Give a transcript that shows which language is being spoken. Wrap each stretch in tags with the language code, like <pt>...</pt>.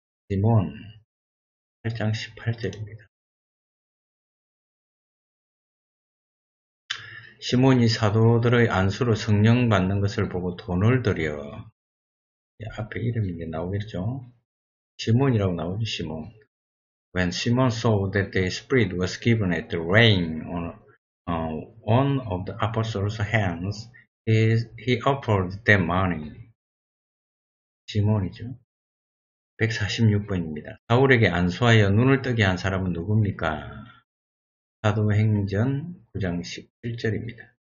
<ko>시몬. 8장 18절입니다. 시몬이 사도들의 안수로 성령 받는 것을 보고 돈을 드려. 앞에 이름이 이제 나오겠죠? 시몬이라고 나오죠, 시몬.</ko> <en>When Simon saw that the Spirit was given at the laying on one of the apostles' hands, he offered them money.</en> <ko>시몬이죠. 146번입니다. 사울에게 안수하여 눈을 뜨게 한 사람은 누굽니까? 사도행전 9장 17절입니다.</ko>